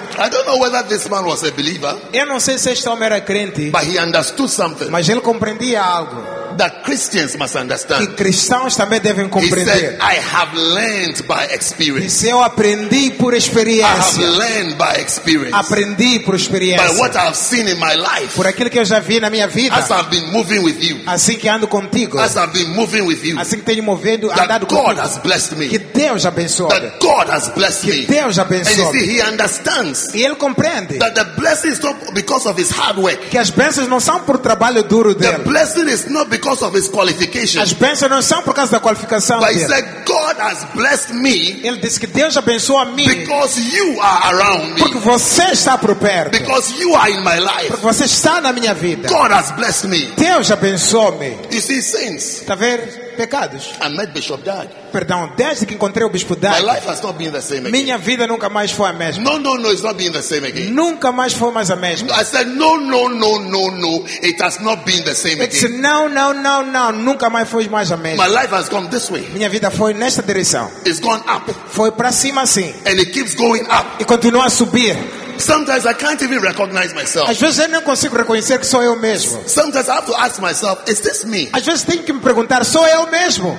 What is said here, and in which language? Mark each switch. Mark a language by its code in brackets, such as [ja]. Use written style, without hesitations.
[en] I don't know whether this man was a believer. [pt] Eu não sei se este homem era crente. [en] But he understood something. [pt] Mas ele compreendia algo. [en] That Christians must understand. [pt] Que cristãos também devem compreender. [en] He said, I have learned by experience. [pt] Disse, eu aprendi por experiência. [en] I have learned by experience. [pt] Aprendi por experiência. [en] By what I've seen in my life. [pt] Por aquilo que eu já vi na minha vida. [en] As I've been moving with you. [pt] Assim que ando contigo. [en] As I've been moving with you. [pt] Assim que tenho movendo, [en] that [pt] andado [en] God [pt] contigo. [en] Has blessed me. [pt] Que Deus abençoe. [en] That God has blessed [pt] que [en] me. [pt] Que Deus abençoe. [en] And you see, he understands. [pt] E ele compreende. [en] That the blessing is not because of his hard work. [pt] Que as bênçãos não são por trabalho duro dele. [en] The blessing is not because of his qualification. [pt] As bênçãos não são por causa da qualificação. [en] But he said, God has blessed me. [pt] Ele disse que Deus abençoou a mim. [en] Because you are around me. [pt] Porque você está por perto. [en] Because you are in my life. [pt] Porque você está na minha vida. [en] God has blessed me. [pt] Deus abençoou-me. [en] You see, saints. [pt] Tá vendo? Pecados. [en] I met Bishop Dad. [pt] Perdão, desde que encontrei o Bispo Dad. [en] My life has not been the same again. [pt] Minha vida nunca mais foi a mesma. [en] No, no, no, it's not been the same again. [pt] Nunca mais foi mais a mesma. [en] I said, no, no, no, no, no, it has not been the same again. It's [pt] não, não, não, não, nunca mais foi mais a mesma. [en] My life has gone this way. [pt] Minha vida foi nesta direção. [en] It's gone up. [pt] Foi para cima assim. [en] And it keeps going up. [pt] E continua a subir. [en] Sometimes I can't even recognize myself. [pt] Às vezes eu não consigo reconhecer que sou eu mesmo. [en] Sometimes I have to ask myself, is this me? [pt] Às vezes tenho que me perguntar, sou eu mesmo?